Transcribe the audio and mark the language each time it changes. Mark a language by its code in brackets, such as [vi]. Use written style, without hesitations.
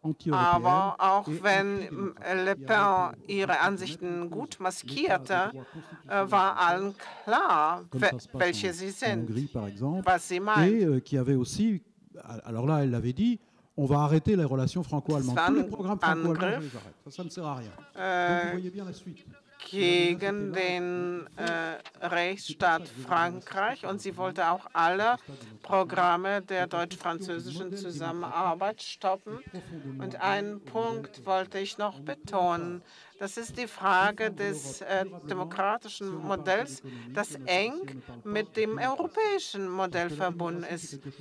[de] Aber auch wenn Le Pen ihre Ansichten gut maskierte, war allen klar, welche sie sind, was sie meint. [fr] On va arrêter les relations franco-allemandes. Tous les programmes franco-allemands, ça ne sert à rien. Donc vous voyez bien la suite. [de] Gegen den Rechtsstaat Frankreich und sie wollte auch alle Programme der deutsch-französischen Zusammenarbeit stoppen. Und einen Punkt wollte ich noch betonen. Das ist die Frage des demokratischen Modells, das eng mit dem europäischen Modell verbunden ist.